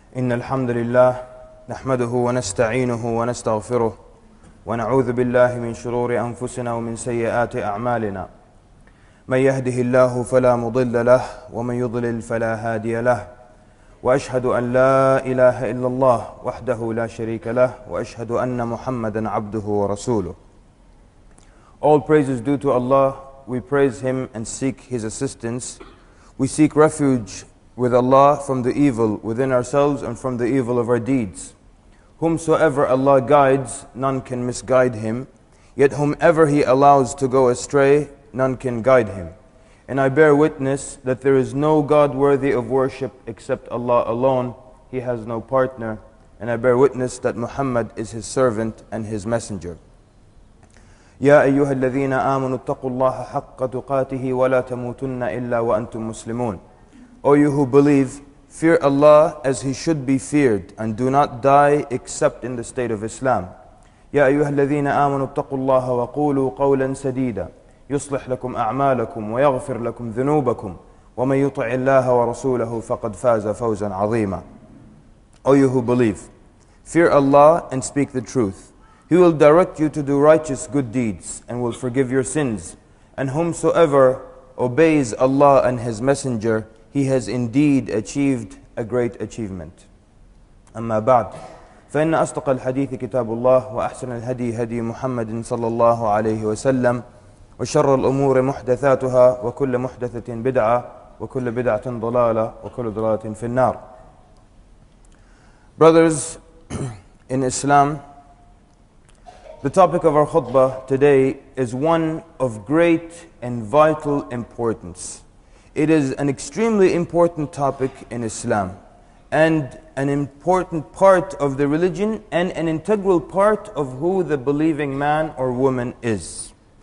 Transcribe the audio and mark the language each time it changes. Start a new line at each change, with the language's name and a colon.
Arabic: إن الحمد لله نحمده ونستعينه ونستغفره ونعوذ بالله من شرور أنفسنا ومن سيئات أعمالنا من يهده الله فلا مضل له ومن يضلل فلا هادي له وأشهد أن لا إله إلا الله وحده لا شريك له وأشهد أن محمدا عبده ورسوله.
English: All praises due to Allah, we praise Him and seek His assistance. We seek refuge with Allah from the evil within ourselves and from the evil of our deeds. Whomsoever Allah guides, none can misguide him, yet whomever He allows to go astray, none can guide him. And I bear witness that there is no God worthy of worship except Allah alone. He has no partner. And I bear witness that Muhammad is His servant and His messenger.
Arabic: يا أيها الذين آمنوا اتقوا الله حق تقاته ولا تموتن إلا وأنتم مسلمون.
English: O you who believe, fear Allah as He should be feared, and do not die except in the state of Islam.
Arabic: يا أيها الذين آمنوا اتقوا الله وقولوا قولا سديدا يصلح لكم أعمالكم ويغفر لكم ذنوبكم ومن يطع الله ورسوله فقد فاز فوزا عظيما.
English: O you who believe, fear Allah and speak the truth. He will direct you to do righteous good deeds and will forgive your sins. And whomsoever obeys Allah and His Messenger, he has indeed achieved a great achievement.
Arabic: أما بعد فإن أصدق الحديث كتاب الله وأحسن الهدي هدي محمد صلى الله عليه وسلم وشر الأمور محدثاتها وكل محدثة بدعة وكل بدعة ضلالة وكل ضلالة في النار.
English: Brothers in Islam, the topic of our khutbah today is one of great and vital importance. It is an extremely important topic in Islam and an important part of the religion and an integral part of who the believing man or woman is.